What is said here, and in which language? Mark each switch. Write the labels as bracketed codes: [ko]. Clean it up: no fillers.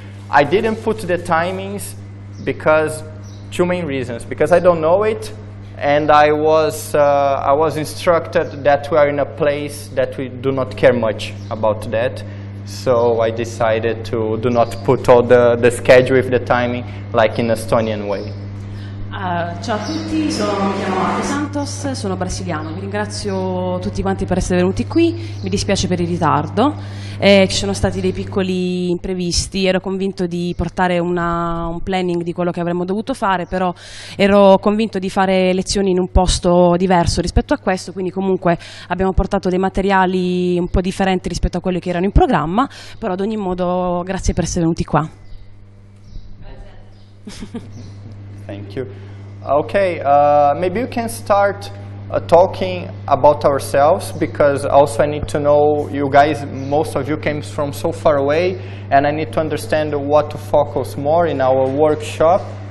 [en] I didn't put the timings because two main reasons, because I don't know it. And I was instructed that we are in a place that we do not care much about that. So I decided to do not put all the schedule with the timing like in Estonian way. [it] Ciao a tutti, mi chiamo Santos, sono brasiliano. Vi ringrazio tutti quanti per essere venuti qui. Mi dispiace per il ritardo. Ci sono stati dei piccoli imprevisti. Ero convinto di portare un planning di quello che avremmo dovuto fare, però ero convinto di fare lezioni in un posto diverso rispetto a questo, quindi comunque abbiamo portato dei materiali un po' differenti rispetto a quelli che erano in programma, però ad ogni modo grazie per essere venuti qua. Grazie. [en] Thank you. Okay, maybe you can start talking about ourselves, because also I need to know you guys, most of you came from so far away, and I need to understand what to focus more in our workshop.